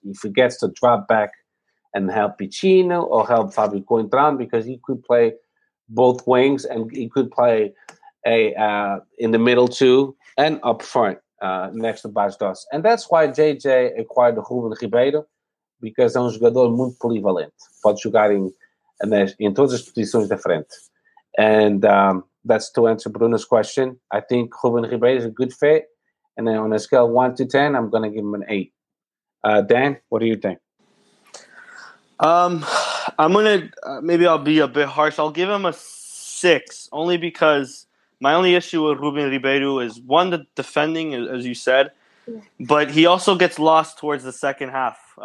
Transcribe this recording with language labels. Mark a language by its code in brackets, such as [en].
[en] He forgets to drop back and help Piccino or help Fabio Coentrão, because he could play both wings and he could play in the middle too and up front next to Bastos. And that's why JJ acquired Ruben Ribeiro. because [pt] é um jogador muito polivalente. Pode jogar em todas as posições da frente. [en] And that's to answer Bruno's question. I think Ruben Ribeiro is a good fit. And then on a scale of 1 to 10, I'm going to give him an 8. Dan, what do you think? I'm going to, maybe I'll be a bit harsh. I'll give him a 6, only because my only issue with Ruben Ribeiro is, one, the defending, as you said, but he also gets lost towards the second half.